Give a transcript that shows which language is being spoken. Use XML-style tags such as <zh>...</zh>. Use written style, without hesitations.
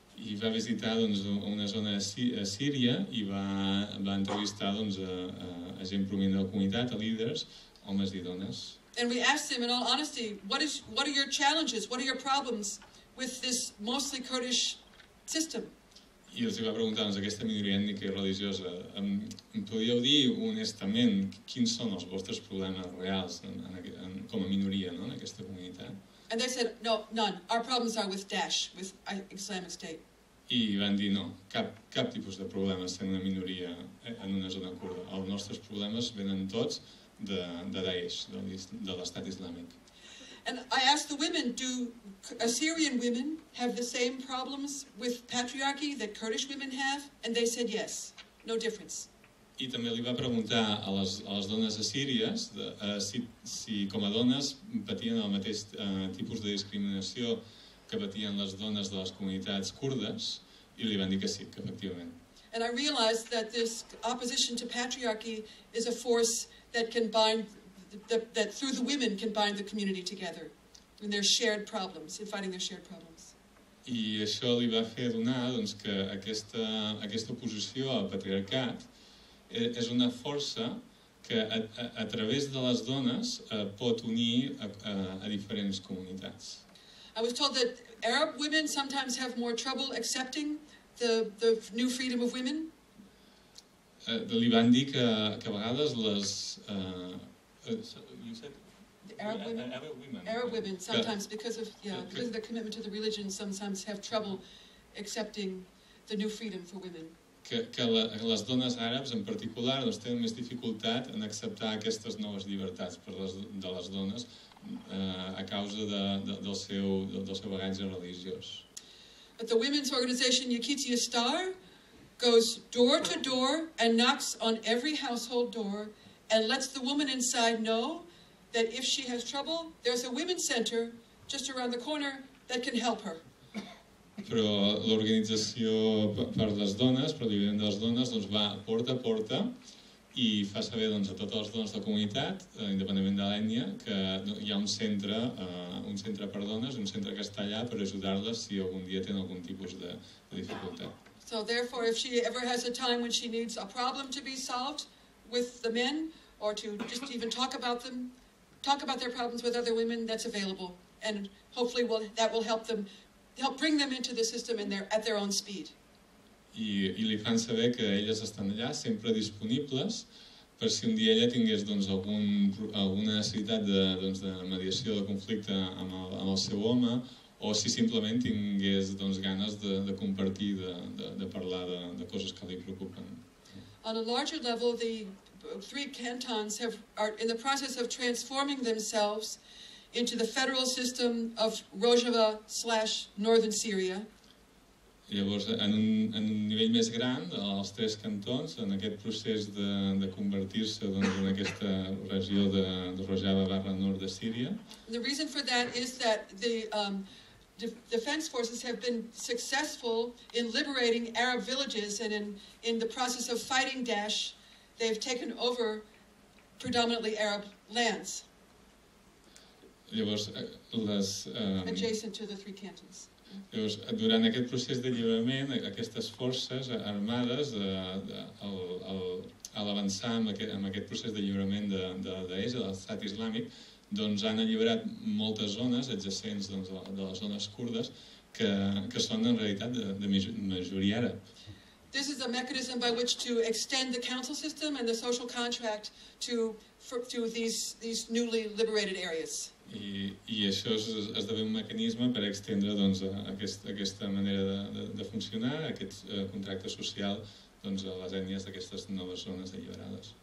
<ca>I va visitar doncs, una zona a Síria i va entrevistar doncs, a gent prominent de la comunitat, a líders, homes i dones.</ca> <en>And we asked him, in all honesty, what are your challenges, what are your problems with this mostly Kurdish system?</en> <ca>I els va preguntar, doncs, aquesta minoria ètnica i religiosa, em podríeu dir honestament quins són els vostres problemes reals com a minoria no, en aquesta comunitat?</ca> <en>And they said, no, none. Our problems are with Daesh, with Islamic State.</en> <ca>I van dir, no, cap tipus de problema ser una minoria en una zona kurda. Els nostres problemes venen tots de Daesh, de l'estat islàmic.</ca> <en>And I asked the women, do Assyrian women have the same problems with patriarchy that Kurdish women have? And they said yes, no difference.</en> <ca>I també li va preguntar a les dones assíries si com a dones patien el mateix tipus de discriminació que patien les dones de les comunitats kurdes i li van dir que sí, que efectivament.</ca> <en>And I realized that this opposition to patriarchy is a force that can bind, that through the women can bind the community together in their shared problems, in fighting their shared problems.</en> <ca>I això li va fer adonar doncs, que aquesta oposició al patriarcat és una força que a través de les dones pot unir a diferents comunitats.</ca> <en>I was told that Arab women sometimes have more trouble accepting the new freedom of women.</en> <ca>Li van dir que a vegades les...</ca> <en>Arab women sometimes, because of their commitment to the religion, sometimes have trouble accepting the new freedom for women.</en> <ca>Que les dones àrabs en particular doncs, tenen més dificultat en acceptar aquestes noves llibertats de les dones a causa del seu bagatge religiós.</ca> <en>But the women's organization Yekitia Star goes door to door and knocks on every household door and lets the woman inside know that if she has trouble, there's a women's center just around the corner that can help her.</en> <ca>Però l'organització per les dones, per l'Iviment de les Dones, doncs va porta a porta i fa saber doncs, a totes les dones de la comunitat, independentment de l'ètnia, que hi ha un centre per dones, un centre que està allà per ajudar-les si algun dia tenen algun tipus de dificultat.</ca> <en>So therefore, if she ever has a time when she needs a problem to be solved with the men, or to just even talk about them, talk about their problems with other women, that's available. And hopefully we'll, that will help them, help bring them into the system in their, at their own speed.</en> <ca>I li fan saber que elles estan allà, sempre disponibles, per si un dia ella tingués doncs, alguna necessitat de, doncs, de mediació, de conflicte amb el seu home, o si simplement tingués doncs, ganes de compartir, de parlar de coses que li preocupen.</ca> <en>On a larger level, the three cantons are in the process of transforming themselves into the federal system of Rojava / Northern Syria.</en> <ca>Llavors, en un nivell més gran, els tres cantons, en aquest procés de convertir-se doncs, en aquesta regió de Rojava / Nord de Síria.</ca> <en>The reason for that is that the defense forces have been successful in liberating Arab villages and in the process of fighting Daesh, they've taken over predominantly Arab lands.</en> <ca>Llavors,</ca> <en>adjacent to the three cantons.</en> <ca>Llavors, durant aquest procés d'alliberament, aquestes forces armades, a l'avançar amb aquest procés d'alliberament de Daesh, de l'estat islàmic, doncs han alliberat moltes zones adjacents doncs, de les zones kurdes que són en realitat de majoria àrab.</ca> <en>This is a mechanism by which to extend the council system and the social contract to these newly liberated areas.</en> <ca>I això esdevé un mecanisme per extendre doncs, aquesta manera de funcionar, aquest contracte social doncs, a les ètnies d'aquestes noves zones alliberades.</ca>